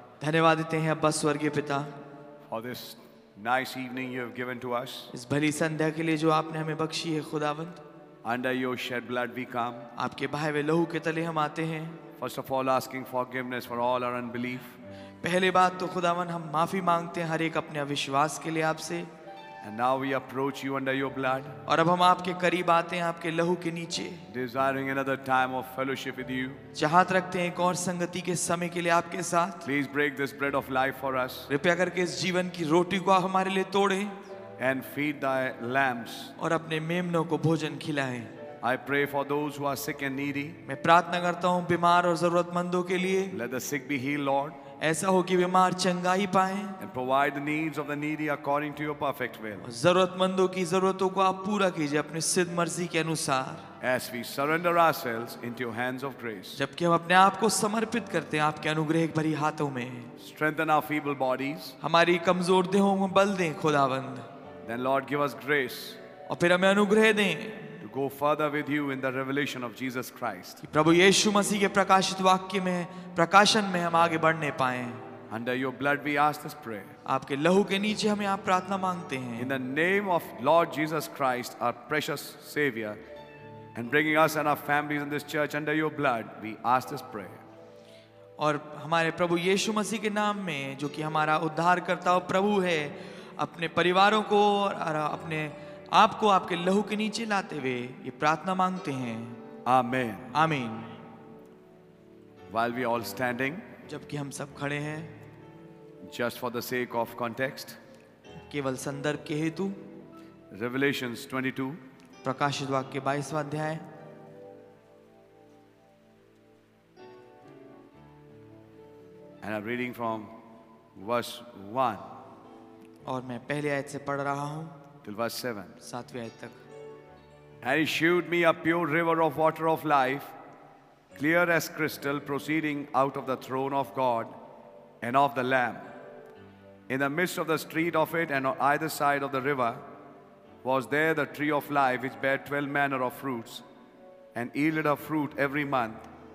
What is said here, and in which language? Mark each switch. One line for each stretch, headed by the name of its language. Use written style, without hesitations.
Hindi: धन्यवाद देते हैं अब्बा स्वर्गीय पिता.
English: For this nice evening you have given to us.
Hindi: इस भली संध्या के लिए जो आपने हमें बख्शी है खुदावंद.
English: Under your shed blood we come.
Hindi: आपके बहाए हुए लहू के तले हम आते हैं.
English: First of all asking forgiveness for all our unbelief.
Hindi: पहले बात तो खुदावंद हम माफी मांगते हैं हर एक अपने अविश्वास के लिए आपसे.
English: And now we approach you under your blood.
Hindi: और अब हम आपके करीब आते हैं आपके लहू के नीचे.
English: Desiring another time of fellowship with you.
Hindi: चाहत रखते हैं एक और संगति के समय के लिए आपके साथ.
English: Please break this bread of life for us.
Hindi: कृपया करके इस जीवन की रोटी को हमारे लिए तोड़ें.
English: And feed thy lambs.
Hindi: और अपने मेमनों को भोजन खिलाएं.
English: I pray for those who are sick and needy.
Hindi: मैं प्रार्थना करता हूँ बीमार और जरूरतमंदों के लिए.
English: Let the sick be healed, Lord.
Hindi: ऐसा हो कि बीमार चंगाई पाएं.
English: And provide the needs of the needy according to your perfect will.
Hindi: जरूरतमंदों की जरूरतों को आप पूरा कीजिए अपने सिद्ध मर्जी के अनुसार.
English: As we surrender ourselves into your hands of grace.
Hindi: जबकि हम अपने आप को समर्पित करते हैं आपके अनुग्रह भरी हाथों में.
English: Strengthen our feeble bodies.
Hindi: हमारी कमजोर देहों को बल दें खुदावंद.
English: Then Lord give us grace.
Hindi: और फिर हमें अनुग्रह दें.
English: go further with you in the revelation of Jesus Christ.
Hindi: प्रभु यीशु मसीह के प्रकाशित वाक्य में प्रकाशन में हम आगे बढ़ने पाएं.
English: Under your blood we ask this prayer.
Hindi: आपके लहू के नीचे हम यहाँ प्रार्थना मांगते हैं.
English: In the name of Lord Jesus Christ, our precious Savior, and bringing us and our families in this church under your blood, we ask this prayer.
Hindi: और हमारे प्रभु यीशु मसीह के नाम में जो कि हमारा उद्धारकर्ता और प्रभु है, अपने परिवारों को और अपने आपको आपके लहू के नीचे लाते हुए ये प्रार्थना मांगते हैं. आमेन. आमेन.
English: while we all standing,
Hindi: जबकि हम सब खड़े हैं,
English: just for the sake of context,
Hindi: केवल संदर्भ के हेतु,
English: Revelations 22
Hindi: प्रकाशित वाक्य 22वां अध्याय.
English: And I'm reading from verse 1.
Hindi: और मैं पहले आयत से पढ़ रहा हूँ.
English: Till verse 7.
Hindi: सातवीं आयत तक.
English: And he showed me a pure river of water of life, clear as crystal, proceeding out of the throne of God and of the Lamb. In the midst of the street of it, and on either side of the river, was there the tree of life, which bare 12 manner of fruits, and yielded a fruit every month.